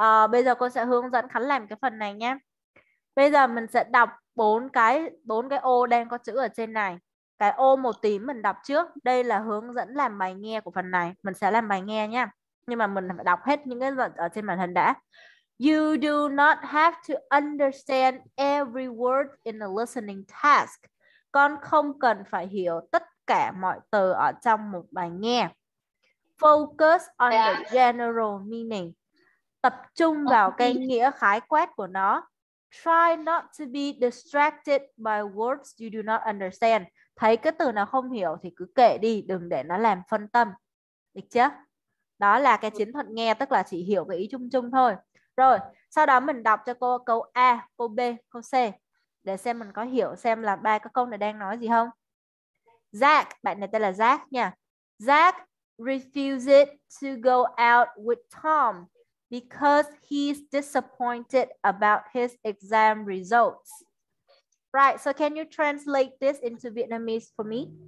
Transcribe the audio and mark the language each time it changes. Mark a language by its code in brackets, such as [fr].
[vi] Bây giờ cô sẽ hướng dẫn Khánh làm cái phần này nhé. Bây giờ mình sẽ đọc 4 cái ô đang có chữ ở trên này. Cái ô màu tím mình đọc trước. Đây là hướng dẫn làm bài nghe của phần này. Mình sẽ làm bài nghe nhé. Nhưng mà mình phải đọc hết những cái ở trên màn hình đã. [en] You do not have to understand every word in the listening task. [vi] Con không cần phải hiểu tất cả mọi từ ở trong một bài nghe. [en] Focus on the general meaning. [vi] Tập trung vào cái nghĩa khái quát của nó. [en] Try not to be distracted by words you do not understand. [vi] Thấy cái từ nào không hiểu thì cứ kệ đi, đừng để nó làm phân tâm. Được chưa? Đó là cái chiến thuật nghe, tức là chỉ hiểu cái ý chung chung thôi. Rồi, sau đó mình đọc cho cô câu A, câu B, câu C để xem mình có hiểu xem là ba cái câu này đang nói gì không. Zach, bạn này tên là Zach nha. [en] Zach refuses to go out with Tom because he's disappointed about his exam results. Right, so can you translate this into Vietnamese for me?